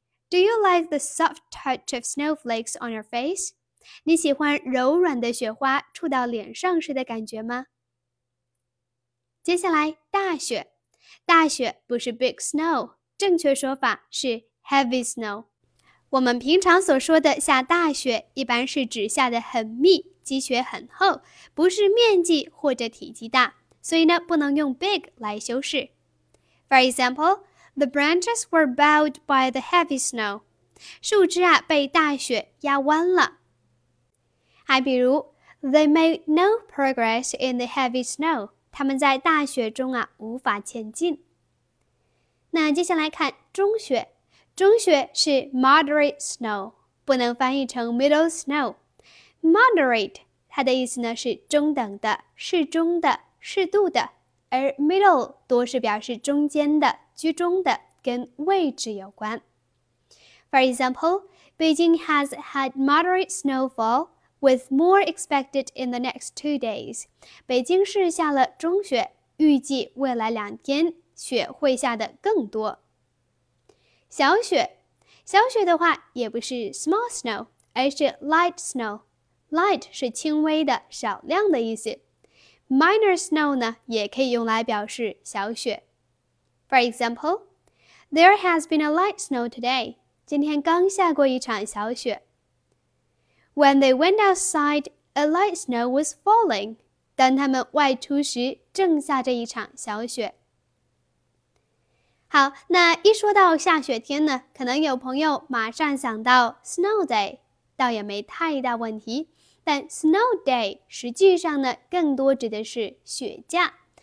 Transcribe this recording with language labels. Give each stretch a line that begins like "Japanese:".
English: Do you like the soft touch of snowflakes on your face？
Chinese: 你喜欢柔软的雪花触到脸上时的感觉吗？接下来大雪，大雪不是
English: big snow，
Chinese: 正确说法是
English: heavy snow.
Chinese: 我们平常所说的下大雪，一般是指下得很密，积雪很厚，不是面积或者体积大，所以呢，不能用 big 来修饰。
English: For example, the branches were bowed by the heavy snow.
Chinese: 树枝啊，被大雪压弯了。还比如
English: they made no progress in the heavy snow.
Chinese: 他们在大雪中啊，无法前进。那接下来看中雪。中雪是
English: moderate snow,
Chinese: 不能翻译成
English: middle snow.
Chinese: Moderate, 它的意思呢是中等的、适中的、适度的，而 middle 多是表示中间的、居中的，跟位置有关。
English: For example, Beijing has had moderate snowfall with more expected in the next 2 days.
Chinese: 北京市下了中雪，预计未来两天雪会下得更多。小雪，小雪的话也不是
English: small snow,
Chinese: 而是
English: light snow.
Chinese: Light 是轻微的、少量的意思。
English: Minor snow
Chinese: 呢，也可以用来表示小雪。
English: For example, there has been a light snow today.
Chinese: 今天刚下过一场小雪。
English: When they went outside, a light snow was falling.
Chinese: 当他们外出时，正下着一场小雪。好，那一说到下雪天呢，可能有朋友马上想到
English: snow day,
Chinese: 倒也没太大问题。但
English: snow day
Chinese: 实际上呢，更多指的是雪假。